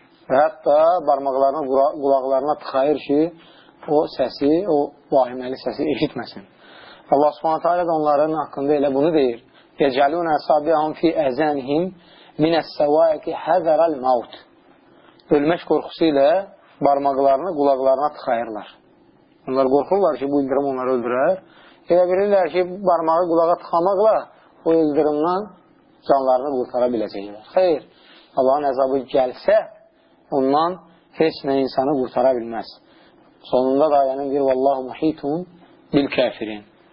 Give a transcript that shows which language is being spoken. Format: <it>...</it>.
<az>Və hətta barmaqlarını qulaqlarına tıxayır ki, o səsi, o vahiməli səsi eşitməsin. Allah Subhanahu taala da onların haqqında elə bunu deyir.</az> <ar>Yecalun asabihum fi azanihim min as-sawa'iki hazar al-maut.</ar> <az>Ölmək qorxusu ilə barmaqlarını qulaqlarına tıxayırlar. Onlar qorxurlar ki, bu ildırım onları öldürər. Elə bilirlər ki, barmağı qulağa tıxamaqla o ildırımdan canlarını qurtara biləcəklər. Xeyr. Allahın əzabı gəlsə ondan heç nə insanı qurtara bilməz. Sonunda da ayənin bir</az> <ar>vallahu muhitun bil kafirin.</ar>